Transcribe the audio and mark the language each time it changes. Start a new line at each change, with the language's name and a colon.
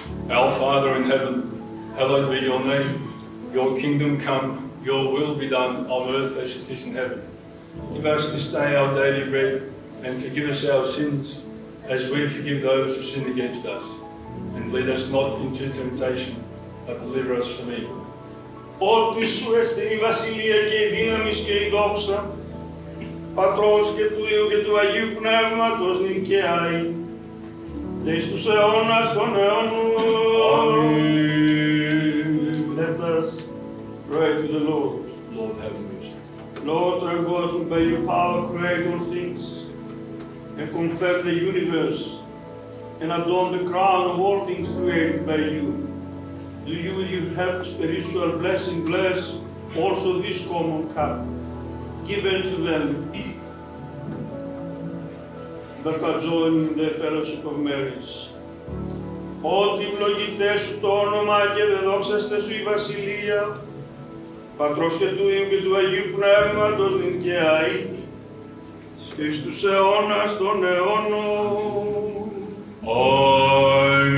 English: Our Father in heaven, hallowed be your name. Your kingdom come, your will be done on earth as it is in heaven. Give us this day our daily bread, and forgive us our sins, as we forgive those who sin against us. And lead us not into temptation, but deliver us from evil.
Greek: Ότι σου εστιν η βασιλεία και η δύναμη και η δόξα, Πατρός και του Υιού και του Αγίου Πνεύματος, νυν και αεί, και εις τους αιώνας των αιώνων.
English: Amen. Let us pray to the Lord. Lord, have mercy. Lord, our God, who by your power create all things, and confirm the universe and adorn the crown of all things created by you. Do you, with your help, spiritual blessing, bless also this common cup given to them that are joining the fellowship of Mary's.
Greek: Ό,τι ευλογητέ σου το όνομα και δεδόξαστε σου η Βασιλεία, Πατρός και του Υιού και του Αγίου Πνεύματος, νυν και αΐ, Χριστούς αιώνας των αιώνων.